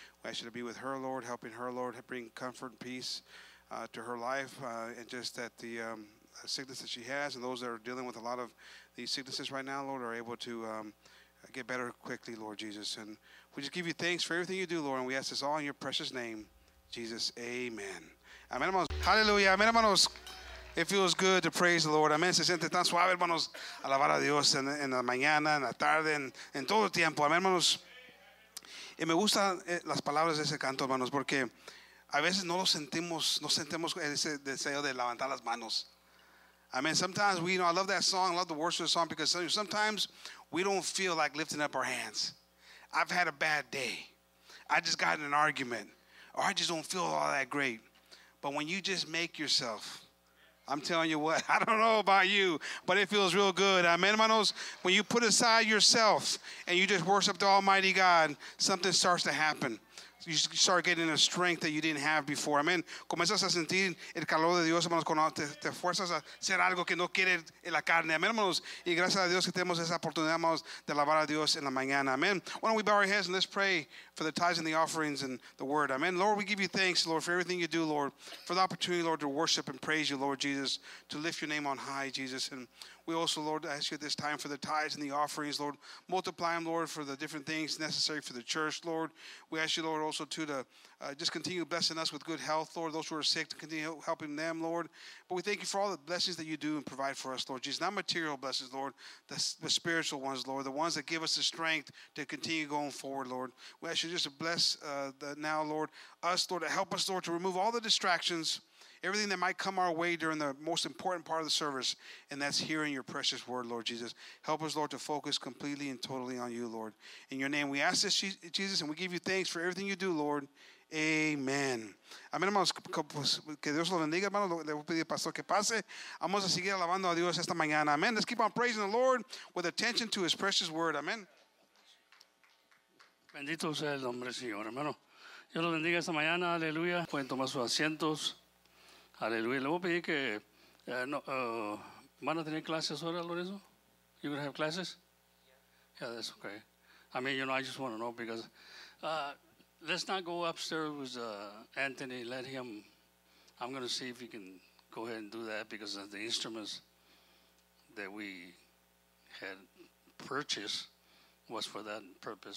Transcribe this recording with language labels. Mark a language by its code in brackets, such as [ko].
[en] We ask you to be with her, Lord, helping her, Lord, bring comfort and peace to her life, and just that the sickness that she has and those that are dealing with a lot of these sicknesses right now, Lord, are able to get better quickly, Lord Jesus. And we just give you thanks for everything you do, Lord, and we ask this all in your precious name, Jesus. Amen. Amen, hermanos. Hallelujah. Amen, hermanos. It feels good to praise the Lord. Amen. [es] Se siente tan suave, hermanos, alabar a Dios en la mañana, en la tarde, en todo el tiempo. Amen, hermanos. Y me gustan las palabras de ese canto, hermanos, porque a veces no lo sentimos, no sentimos ese deseo de levantar las manos. Amen. [en] Sometimes we, you know, I love that song, I love the worship song, because sometimes we don't feel like lifting up our hands. I've had a bad day. I just got in an argument. Or I just don't feel all that great. But when you just make yourself, I'm telling you what, I don't know about you, but it feels real good. Amen, hermanos. When you put aside yourself and you just worship the Almighty God, something starts to happen. You start getting a strength that you didn't have before. Amen. [es] Comienzas a sentir el calor de Dios, hermanos, cuando te fuerzas a hacer algo que no quiere en la carne. Amen, hermanos. Y gracias a Dios que tenemos esa oportunidad, hermanos, de alabar a Dios en la mañana. Amen. [en] Why don't we bow our heads and let's pray for the tithes and the offerings and the word. Amen. Lord, we give you thanks, Lord, for everything you do, Lord, for the opportunity, Lord, to worship and praise you, Lord Jesus, to lift your name on high, Jesus. And we also, Lord, ask you at this time for the tithes and the offerings, Lord. Multiply them, Lord, for the different things necessary for the church, Lord. We ask you, Lord, also to just continue blessing us with good health, Lord. Those who are sick, to continue helping them, Lord. But we thank you for all the blessings that you do and provide for us, Lord Jesus. Not material blessings, Lord, the spiritual ones, Lord. The ones that give us the strength to continue going forward, Lord. We ask you just to bless now, Lord, us, Lord, to help us, Lord, to remove all the distractions, everything that might come our way during the most important part of the service, and that's hearing your precious word, Lord Jesus. Help us, Lord, to focus completely and totally on you, Lord. In your name we ask this, Jesus, and we give you thanks for everything you do, Lord. [es] Amen. Amén, hermanos. Que Dios lo bendiga, hermanos. Le voy a pedir al pastor que pase. Vamos a seguir alabando a Dios esta mañana. Amen. [en] Let's keep on praising the Lord with attention to his precious word. Amen. [es] Bendito sea el nombre, Señor, hermano. Dios lo bendiga esta mañana. Aleluya. Pueden tomar sus asientos. Aleluya. Le voy a pedir que van a tener clases ahora, Lorenzo. [en] You gonna have classes? Yeah, that's okay. I mean, you know, I just want to know because let's not go upstairs with Anthony. Let him. I'm gonna see if he can go ahead and do that because of the instruments that we had purchased was for that purpose.